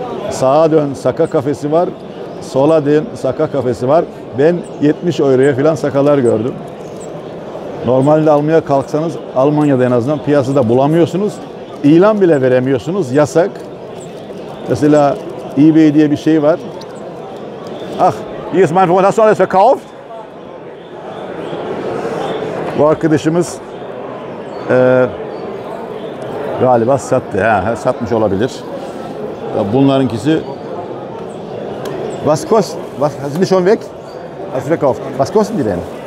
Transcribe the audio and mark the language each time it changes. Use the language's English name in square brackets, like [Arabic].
[Turkish] Sağa dön saka kafesi var. Sola dön saka kafesi var. Ben 70 euroya falan sakalar gördüm. Normalde almaya kalksanız Almanya'da en azından piyasada bulamıyorsunuz. İlan bile veremiyorsunuz. Yasak. Mesela eBay diye bir şey var. [German] Ah, hier ist mein Freund, hast du alles verkauft? [Turkish] Bu arkadaşımız galiba sattı. Ha, satmış olabilir. Bunlarınkisi [German] Was kost? Was hast du schon weg? Hast du verkauft? Was kosten die denn?